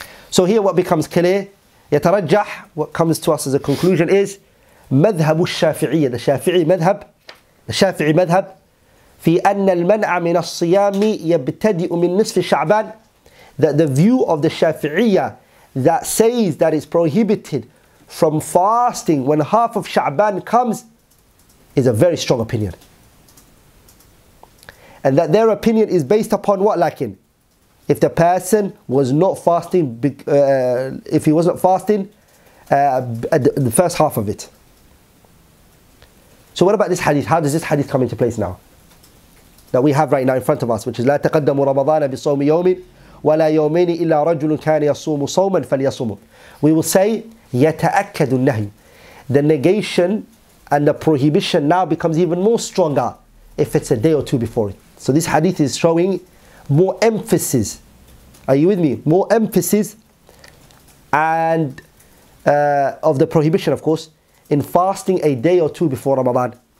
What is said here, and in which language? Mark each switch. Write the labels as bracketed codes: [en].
[en] So here what becomes clear, يترجح, what comes to us as a conclusion is [ar] مذهب الشافعية, [en] the Shafi'i madhab [ar] في أن المنع من الصيام يبتدئ من نصف شعبان, [en] that the view of the Shafi'iyya that says that it's prohibited from fasting when half of Sha'ban comes is a very strong opinion, and that their opinion is based upon what? Lakin, if the person was not fasting, the first half of it. So what about this hadith? How does this hadith come into place now? That we have right now in front of us, which is [ar] لا تقدم رمضان بصوم يوم ولا يومين إلا رجل كان يصوم صوما فليصوم. [en] We will say [ar] يتأكد النهي. [en] The negation and the prohibition now becomes even more stronger if it's a day or two before it. So this hadith is showing more emphasis. Are you with me? More emphasis and of the prohibition, of course, in fasting a day or two before Ramadan.